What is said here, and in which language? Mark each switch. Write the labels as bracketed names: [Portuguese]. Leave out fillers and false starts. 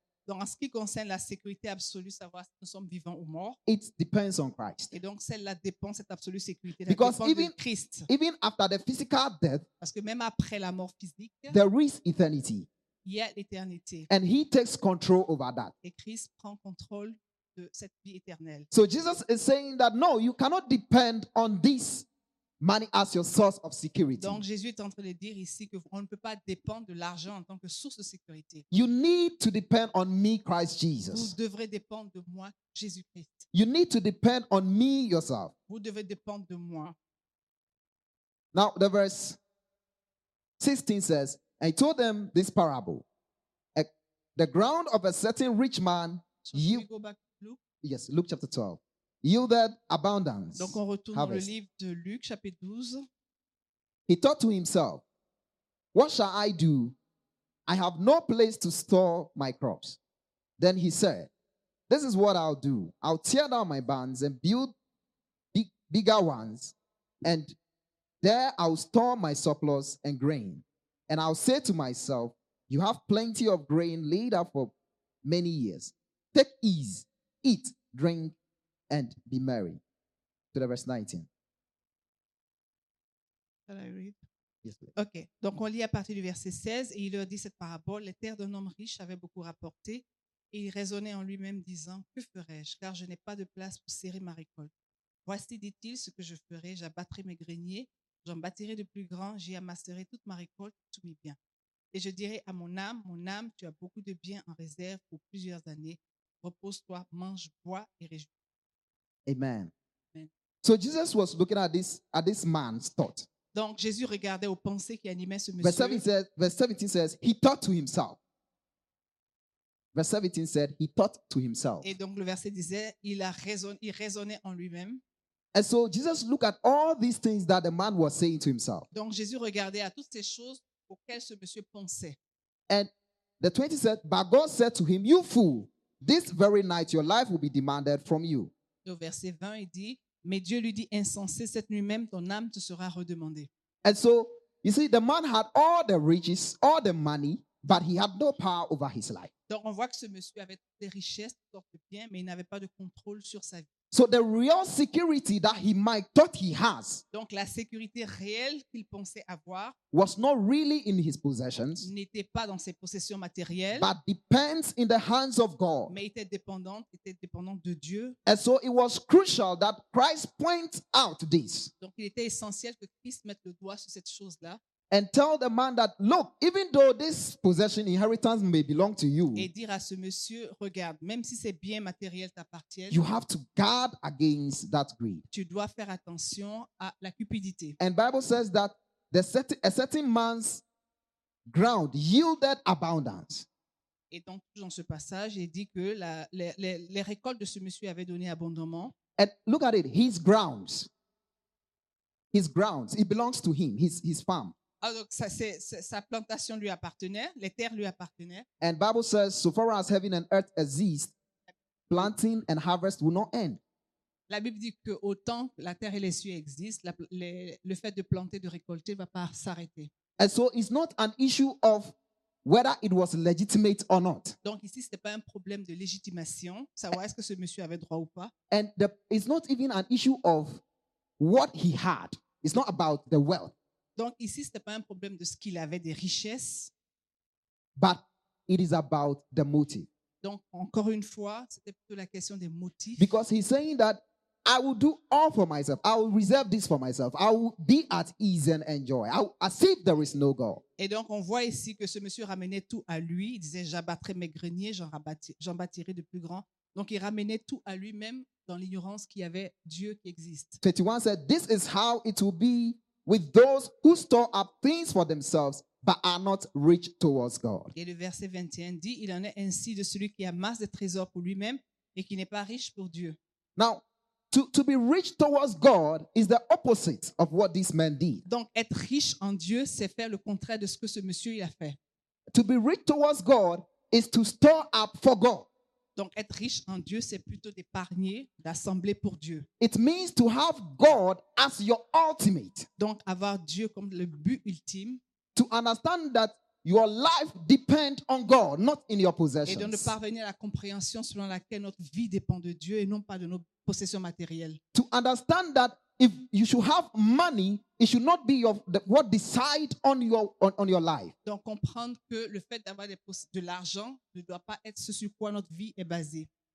[French] Donc en ce qui concerne la sécurité absolue, savoir si nous sommes vivants ou morts. [English] It depends on Christ. [French] Et donc celle-là dépend cette absolue sécurité. [English] Because [French] dépend [English] even [French] de Christ. [English] Even after the physical death. [French] Parce que même après la mort physique. [English] There is eternity. [French] Il y a l'éternité. [English] And He takes control over that. [French] Et Christ prend contrôle de cette vie éternelle. [English] So Jesus is saying that no, you cannot depend on this. Money as your source of security. [French] Donc Jésus est en train de dire ici que on ne peut pas dépendre de l'argent en tant que source de sécurité. [English] You need to depend on me, Christ Jesus. [French] Vous devrez dépendre de moi, Jésus-Christ. [English] You need to depend on me yourself. [French] Vous devez dépendre de moi. [English] Now the verse 16 says, I told them this parable. The ground of a certain rich man, Luke chapter 12. Yielded abundance. [French] Donc on retourne dans le livre de Luc, chapitre 12. [English] He thought to himself, what shall I do? I have no place to store my crops. Then he said, this is what I'll do. I'll tear down my barns and build bigger ones. And there I'll store my surplus and grain. And I'll say to myself, you have plenty of grain laid up for many years. Take ease, eat, drink, and be merry. To the verse 19. Shall I read? Yes, please. Okay. [French] Donc, on lit à partir du verset 16, et il leur dit cette parabole. Les terres d'un homme riche avaient beaucoup rapporté, et il raisonnait en lui-même, disant, que ferai-je, car je n'ai pas de place pour serrer ma récolte. Voici, dit-il, ce que je ferai, j'abattrai mes greniers, j'en bâtirai de plus grands, j'y amasserai toute ma récolte, tous mes biens. Et je dirai à mon âme, tu as beaucoup de biens en réserve pour plusieurs années. Repose-toi, mange, bois et réjouis. Amen. Amen. [English] So Jesus was looking at this man's thought. [French] Donc Jésus regardait aux pensées qui animaient ce monsieur. [English] Verse 17 says he thought to himself. Verse 17 said he thought to himself. [French] Et donc le verset disait il raisonnait en lui-même. [English] And so Jesus looked at all these things that the man was saying to himself. [French] Donc Jésus regardait à toutes ces choses auxquelles ce monsieur pensait. [English] And the 20 said, but God said to him, you fool, this very night your life will be demanded from you. [French] Et au verset 20, il dit, mais Dieu lui dit, insensé, cette nuit même, ton âme te sera redemandée. [English] And so, you see, the man had all the riches, all the money, but he had no power over his life. [French] Donc, on voit que ce monsieur avait toutes les richesses, toutes les biens, mais il n'avait pas de contrôle sur sa vie. [English] So, the real security that he might thought he has. [French] Donc, la sécurité réelle qu'il pensait avoir. [English] Was not really in his possessions. [French] N'était pas dans ses possessions matérielles. [English] But depends in the hands of God. [French] Mais était dépendante de Dieu. [English] And so, it was crucial that Christ points out this. [French] Donc, il était essentiel que Christ mette le doigt sur cette chose-là. [English] And tell the man that, look, even though this possession, inheritance may belong to you, [French] et dire à ce monsieur, regarde, même si c'est bien matériel t'appartient, [English] you have to guard against that greed. [French] Tu dois faire attention à la cupidité. [English] And Bible says that a certain man's ground yielded abundance. [French] Et donc, dans ce passage, il dit que les récoltes de ce monsieur avaient donné abondamment. [English] And look at it, his grounds, it belongs to him, his farm. [French] Ah, donc ça, c'est, sa plantation lui appartenait, les terres lui appartenaient. [English] And Bible says, so far as heaven and earth exist, planting and harvest will not end. [French] La Bible dit que autant la terre et les cieux existent, le fait de planter, de récolter, ne va pas s'arrêter. [English] And so it's not an issue of whether it was legitimate or not. [French] Donc ici, c'était pas un problème de légitimation, savoir est-ce que ce monsieur avait droit ou pas. [English] And it's not even an issue of what he had. It's not about the wealth. [French] Donc ici, ce n'est pas un problème de ce qu'il avait, des richesses. [English] But it is about the motive. [French] Donc encore une fois, c'était plutôt la question des motifs. [English] Because he's saying that I will do all for myself. I will reserve this for myself. I will be at ease and enjoy. I will, as if there is no God. [French] Et donc on voit ici que ce monsieur ramenait tout à lui. Il disait, j'abattrai mes greniers, j'en bâtirai de plus grands. Donc il ramenait tout à lui-même dans l'ignorance qu'il y avait Dieu qui existe. [English] 21 said, this is how it will be with those who store up things for themselves but are not rich towards God. [French] Et le verset 21 dit, il en est ainsi de celui qui amasse des trésors pour lui-même et qui n'est pas riche pour Dieu. [English] Now, to be rich towards God is the opposite of what this man did. [French] Donc être riche en Dieu, c'est faire le contraire de ce que ce monsieur il a fait. [English] To be rich towards God is to store up for God. [French] Donc être riche en Dieu, c'est plutôt d'épargner, d'assembler pour Dieu. [English] It means to have God as your ultimate. [French] Donc avoir Dieu comme le but ultime. [English] To understand that your life depends on God, not in your possessions. [French] Et donc de parvenir à la compréhension selon laquelle notre vie dépend de Dieu et non pas de nos possessions matérielles. [English] To understand that if you should have money, it should not be what decides on your life. [French] Donc comprendre que le fait d'avoir de l'argent ne doit pas être ce sur quoi notre vie est basée.